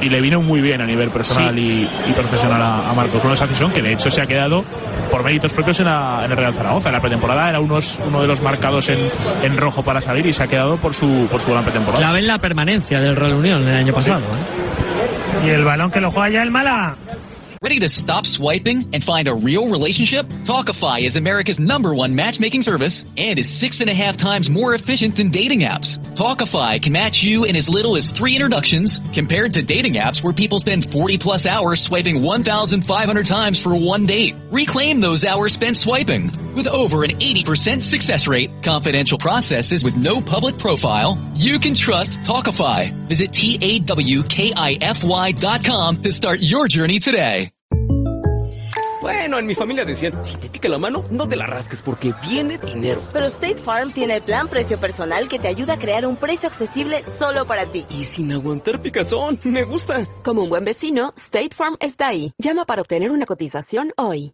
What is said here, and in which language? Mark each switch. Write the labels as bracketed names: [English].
[Spanish] Y le vino muy bien a nivel personal, sí, y profesional a Marcos Luna esa cesión, que de hecho se ha quedado por méritos propios en el Real Zaragoza. En la pretemporada era uno de los marcados en rojo para salir y se ha quedado por su gran pretemporada. Ya ven la permanencia del Real Unión el año pasado. Sí. Y el balón que lo juega ya el Málaga. [English] Ready to stop swiping and find a real relationship? Talkify is America's number one matchmaking service and is 6.5 times more efficient than dating apps. Talkify can match you in as little as 3 introductions compared to dating apps where people spend 40 plus hours swiping 1,500 times for one date. Reclaim those hours spent swiping. With over an 80% success rate, confidential processes with no public profile, you can trust Talkify. Visit TAWKIFY.com to start your journey today. [Spanish] Bueno, en mi familia decían, si te pica la mano, no te la rasques porque viene dinero. Pero State Farm tiene el plan precio personal que te ayuda a crear un precio accesible solo para ti. Y sin aguantar picazón, me gusta. Como un buen vecino, State Farm está ahí. Llama para obtener una cotización hoy.